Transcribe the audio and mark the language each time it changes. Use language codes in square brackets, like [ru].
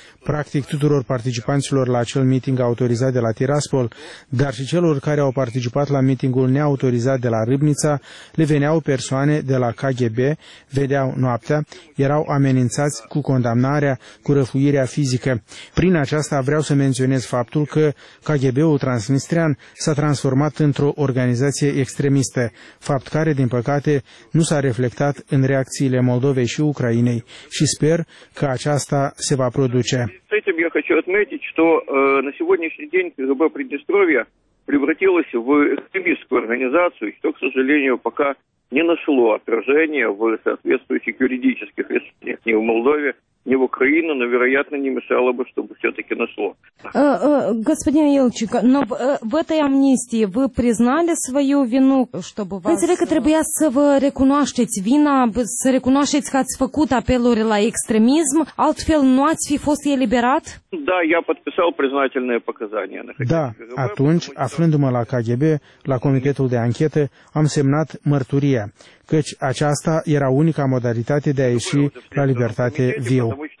[ro] Practic tuturor participanților la acel miting autorizat de la Tiraspol, dar și celor care au participat la mitingul neautorizat de la Râbnița, le veneau persoane de la KGB, vedeau noaptea, erau amenințați cu condamnarea, cu răfuirea fizică. Prin aceasta vreau să menționez faptul că KGB-ul Transnistrian s-a transformat într-o organizație extremistă, fapt care, din păcate, nu s-a reflectat în reacțiile Moldovei și Ucrainei și sper că aceasta se va produce. [ru] С этим я хочу отметить, что на сегодняшний день КГБ Приднестровья превратилось в экстремистскую организацию, что, к сожалению, пока не нашло отражения в соответствующих юридических решениях ни в Молдове, ни в Украине, но, вероятно, не мешало бы, чтобы все-таки нашло. Господин Ильчик, но в этой амнистии вы признали свою вину, чтобы вас... [ro] Înțeleg că trebuia să vă recunoașteți vina, să recunoașteți că ați făcut apeluri la extremism, altfel nu ați fi fost eliberat? [ru] Da, я подписал признательные показания. [ro] Да, atunci, aflându-mă la KGB, la Comitetul de Anchete, am semnat mărturia, căci aceasta era unica modalitate de a ieși la libertate viu.